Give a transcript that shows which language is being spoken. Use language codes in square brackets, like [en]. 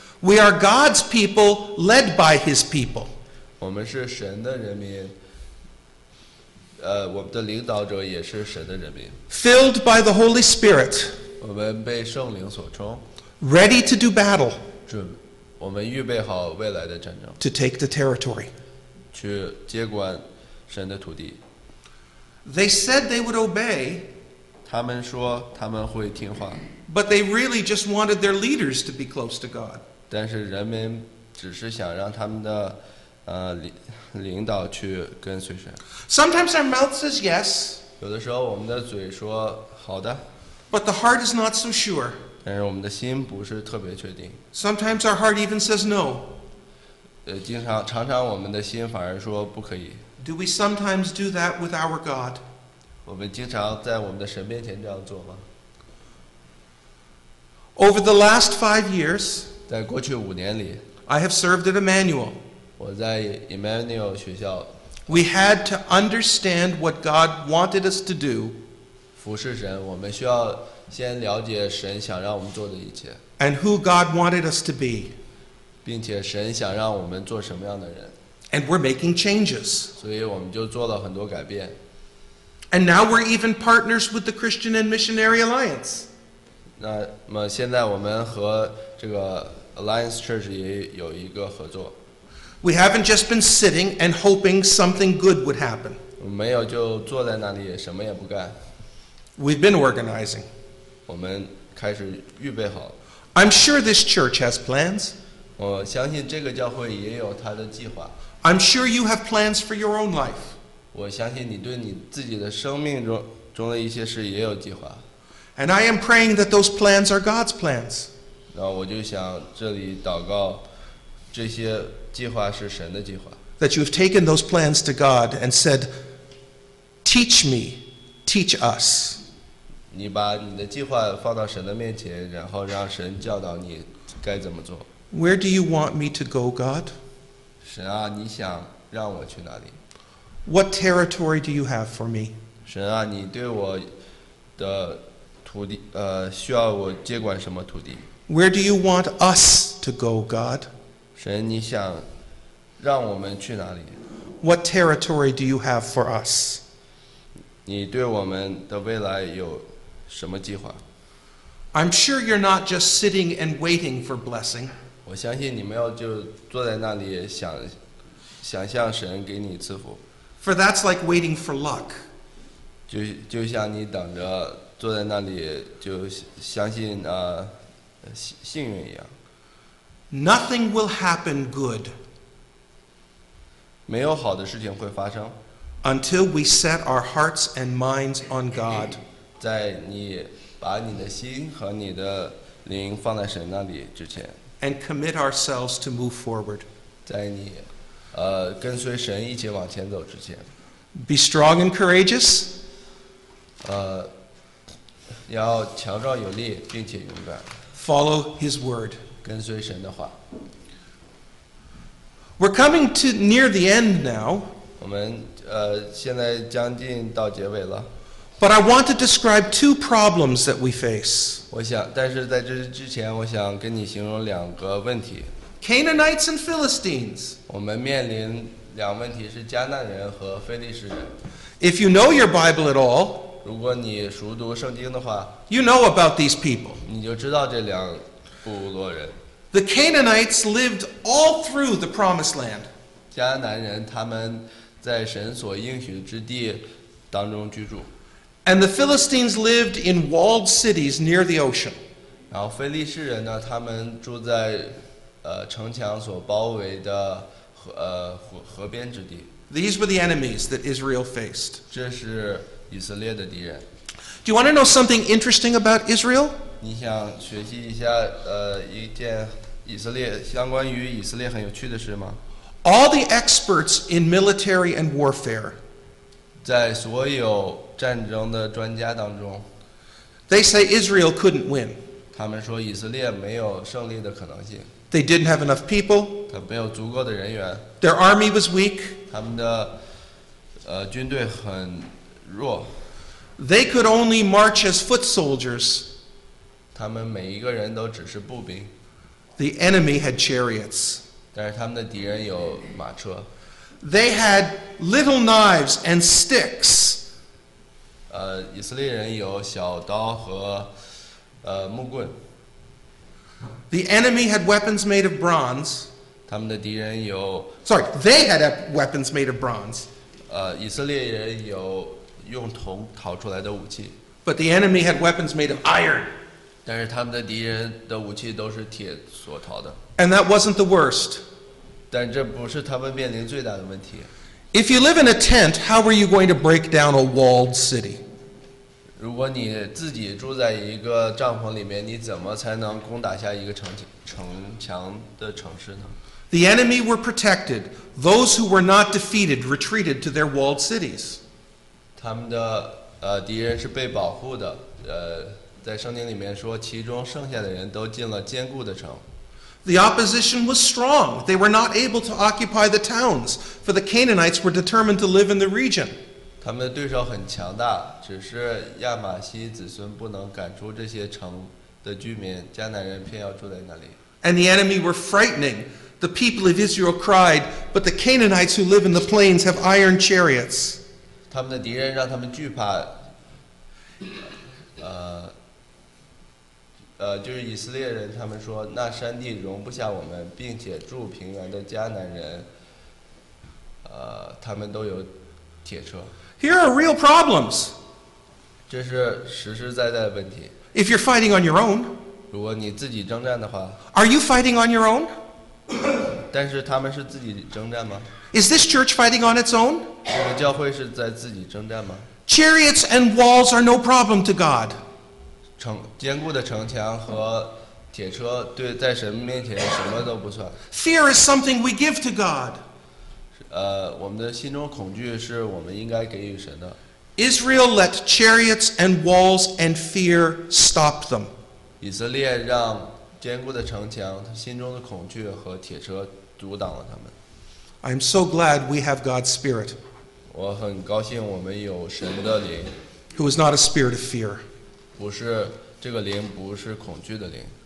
[en] We are God's people led by his people. [zh] 我们是神的人民我们的领导者也是神的人民。 [en] Filled by the Holy Spirit. [zh] 我们被圣灵所充。 [en] Ready to do battle. [zh] 我们预备好未来的战争。 [en] To take the territory. [zh] 去接管神的土地。 [en] They said they would obey. [zh] 他们说他们会听话。 [en] But they really just wanted their leaders to be close to God. [zh] 但是人们只是想让他们的领导去跟随神。 [en] Sometimes our mouth says yes. [zh] 有的时候我们的嘴说好的。 [en] But the heart is not so sure. [zh] 但是我们的心不是特别确定。 [en] Sometimes our heart even says no. [zh] 常常我们的心反而说不可以。 [en] Do we sometimes do that with our God? [zh] 我们经常在我们的神面前这样做吗？ [en] Over the last 5 years, [zh] 在过去五年里， [en] I have served at Emmanuel. [zh] 我在 Emmanuel 学校。 [en] We had to understand what God wanted us to do. [zh] 服侍神，我们需要先了解神想让我们做的一切。 [en] And who God wanted us to be. [zh] 并且神想让我们做什么样的人。 [en] And we're making changes. [zh] 所以我们就做了很多改变。 [en] And now we're even partners with the Christian and Missionary Alliance. [zh] 那么现在我们和这个 Alliance Church 也有一个合作。 [en] We haven't just been sitting and hoping something good would happen. [zh] 没有就坐在那里什么也不干。 [en] We've been organizing. [zh] 我们开始预备好。 [en] I'm sure this church has plans. [zh] 我相信这个教会也有它的计划。 [en] I'm sure you have plans for your own life. [zh] 我相信你对你自己的生命中的一些事也有计划。 [en] And I am praying that those plans are God's plans. [zh] 那我就想这里祷告这些计划是神的计划。 [en] That you have taken those plans to God and said, "Teach me, teach us." [zh] 你把你的计划放到神的面前，然后让神教导你该怎么做。 [en] Where do you want me to go, God? [zh] 神啊，你想让我去哪里？ [en] What territory do you have for me? [zh] 神啊，你对我的土地需要我接管什么土地？ [en] Where do you want us to go, God? [zh] 神，你想让我们去哪里？ [en] What territory do you have for us? [zh] 你对我们的未来有什么计划？ [en] I'm sure you're not just sitting and waiting for blessing. [zh] 我相信你没有就坐在那里想象神给你赐福。 [en] For that's like waiting for luck. [zh] 就像你等着坐在那里就相信幸运一样。 [en] Nothing will happen good. [zh] 没有好的事情会发生。 [en] Until we set our hearts and minds on God. [zh] 在你把你的心和你的灵放在神那里之前。 [en] And commit ourselves to move forward. [zh] 在你跟随神一起往前走之前。 [en] Be strong and courageous. [zh] 要强壮有力并且勇敢。 [en] Follow his word. [zh] 跟随神的话。 [en] We're coming to near the end now. [zh] 我们现在将近到结尾了。 [en] But I want to describe two problems that we face. [zh] 我想，但是在这之前，我想跟你形容两个问题。 [en] Canaanites and Philistines. [zh] 我们面临两个问题是迦南人和非利士人。 [en] If you know your Bible at all, [zh] 如果你熟读圣经的话 [en] ，you know about these people. [zh] 你就知道这两部落人。 [en] The Canaanites lived all through the Promised Land. [zh] 迦南人他们在神所应许之地当中居住。 [en] And the Philistines lived in walled cities near the ocean. [zh] 然后非利士人呢，他们住在城墙所包围的河边之地。 [en] These were the enemies that Israel faced. [zh] 这是以色列的敌人。 [en] Do you want to know something interesting about Israel? [zh] 你想学习一下一件以色列相关于以色列很有趣的事吗？ [en] All the experts in military and warfare. [zh] 在所有战争的专家当中， [en] they say Israel couldn't win. [zh] 他们说以色列没有胜利的可能性。 [en] They didn't have enough people. [zh] 他没有足够的人员。 [en] Their army was weak. [zh] 他们的军队很弱。 [en] They could only march as foot soldiers. [zh] 他们每一个人都只是步兵。 [en] The enemy had chariots. [zh] 但是他们的敌人有马车。 [en] They had little knives and sticks. [zh] 以色列人有小刀和木棍。 [en] The enemy had weapons made of bronze. [zh] 他们的敌人有 [en] Sorry, they had weapons made of bronze. [zh] 以色列人有用铜烤出来的武器。 [en] But the enemy had weapons made of iron. [zh] 但是他们的敌人的武器都是铁所烤的。 [en] And that wasn't the worst. [zh] 但这不是他们面临最大的问题。 [en] If you live in a tent, how are you going to break down a walled city? [zh] 如果你自己住在一个帐篷里面，你怎么才能攻打下一个城墙的城市呢？ [en] The enemy were protected. Those who were not defeated retreated to their walled cities. [zh] 他们的敌人是被保护的。在圣经里面说，其中剩下的人都进了坚固的城。 [en] The opposition was strong. They were not able to occupy the towns, for the Canaanites were determined to live in the region. [zh] 他们的对手很强大，只是亚玛西子孙不能赶出这些城的居民，迦南人偏要住在那里。 [en] And the enemy were frightening. The people of Israel cried, but the Canaanites who live in the plains have iron chariots. [zh] 他们的敌人让他们惧怕。就是以色列人，他们说那山地容不下我们，并且住平原的迦南人，他们都有铁车。 [en] Here are real problems. [zh] 这是实实在在的问题。 [en] If you're fighting on your own, [zh] 如果你自己征战的话 [en] ，Are you fighting on your own? [zh] 但是他们是自己征战吗 [en] ？Is this church fighting on its own? [zh] 这个教会是在自己征战吗 [en] ？Chariots and walls are no problem to God. [zh] 坚固的城墙和铁车对在神面前什么都不算。 [en] Fear is something we give to God. [zh] 我们的心中恐惧是我们应该给予神的。 [en] Israel let chariots and walls and fear stop them. [zh] 以色列让坚固的城墙、心中的恐惧和铁车阻挡了他们。 [en] I'm so glad we have God's Spirit. [zh] 我很高兴我们有神的灵。 [en] Who is not a spirit of fear. [zh] 不是这个灵，不是恐惧的灵。